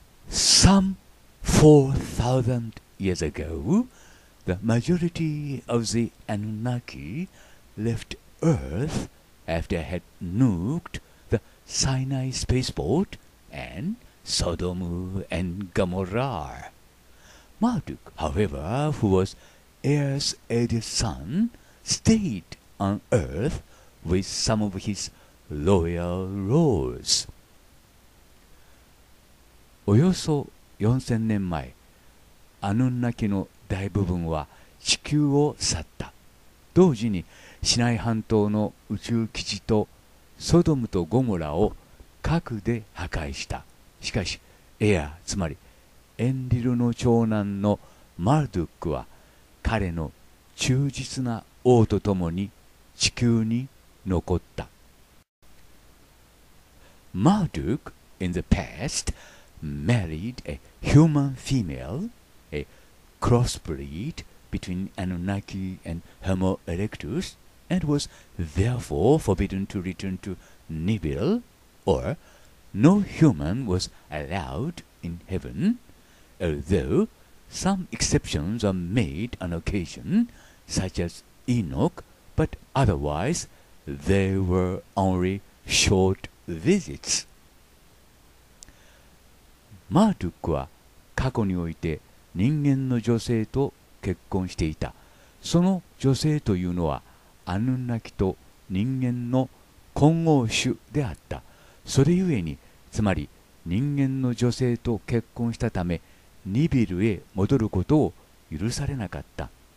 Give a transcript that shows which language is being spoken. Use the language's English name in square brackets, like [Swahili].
[English] Some 4,000 years ago, the majority of the Anunnaki left Earth after had nuked the Sinai spaceport and Sodom and Gomorrah. Marduk, however, who was Ea's eldest son, stayed on Earth with some of his loyal lords. [Japanese] およそ4000年前、アヌンナキの大部分は地球を去った。同時に、シナイ半島の宇宙基地とソドムとゴモラを核で破壊した。しかし、エア、つまりエンリルの長男のマルドックは、彼の忠実な王と共に地球に残った。 [English] マルドック、in the past,married a human female, a crossbreed between Anunnaki and Homo erectus, and was therefore forbidden to return to Nibiru, or no human was allowed in heaven, although some exceptions are made on occasion, such as Enoch, but otherwise they were only short visits. [Japanese] マルドックは過去において人間の女性と結婚していた。その女性というのはアヌンナキと人間の混合種であった。それゆえに、つまり人間の女性と結婚したためニビルへ戻ることを許されなかった。